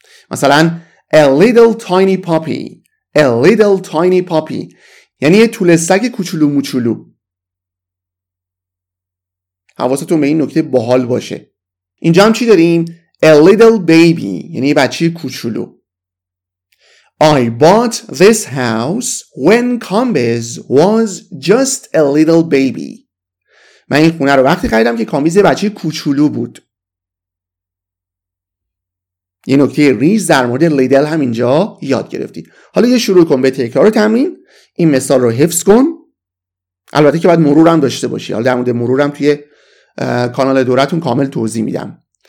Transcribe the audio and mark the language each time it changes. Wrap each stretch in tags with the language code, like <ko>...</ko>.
<fa>مثلا</fa> <en>a little tiny puppy، a little tiny puppy</en> <fa>یعنی یه توله سگ کوچولو موچولو. حواستون به این نکته باحال باشه. اینجا هم چی داریم؟</fa> <en>A little baby</en> <fa>یعنی یه بچه کوچولو.</fa> <en>I bought this house when Kambiz was just a little baby.</en> <fa>من این خونه رو وقتی خریدم که کامبیز یه بچه کوچولو بود. یه نکته ریز در مورد little هم اینجا یاد گرفتی. حالا یه شروع کن به تکرار تمرین. این مثال رو حفظ کن، البته که بعد مرورم داشته باشی. حالا در مورد مرورم توی کانال دورتون کامل توضیح میدم.</fa>